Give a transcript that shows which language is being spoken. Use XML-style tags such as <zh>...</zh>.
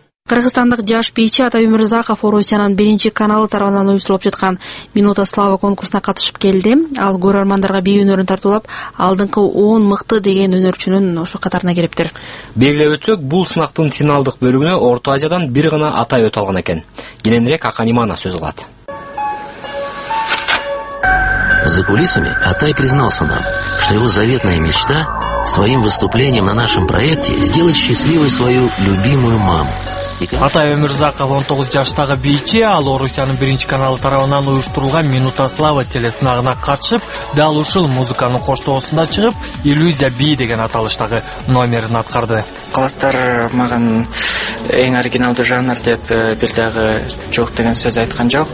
<ky>Кыргызстандык жаш бийчи Ата Үмүрзаков Орусиянын биринчи каналы тарабынан уюштурулуп жаткан Минута Славы конкурсуна катышып келди. Ал көрөрмандарга бий өнөрүн тартуулап, алдыңкы 10 мыкты деген өнөрчүнүн ошо катарына кириптир. Белгилеп өтсөк, бул сынактын финалдык бөлүгүнө Орто Азиядан бир гана атай өтө алган экен. Кененирээк Акан Имана сөз кылат.</ky> <ru>За кулисами Атай признался нам, что его заветная мечта — своим выступлением на нашем проекте сделать счастливой свою любимую маму.</ru> <ky>Атай Өмүрзаков 19 жаштагы бийчи, ал Орусиянын биринчи каналы тарабынан уюштурулган Минута Славы телесынагына катышып, дал ушул музыканын коштоосунда чыгып, Иллюзия бий деген аталыштагы номерин аткарды. Класстар маган эң оригиналдуу жанр деп бир дагы жок деген сөз айткан жок.</ky>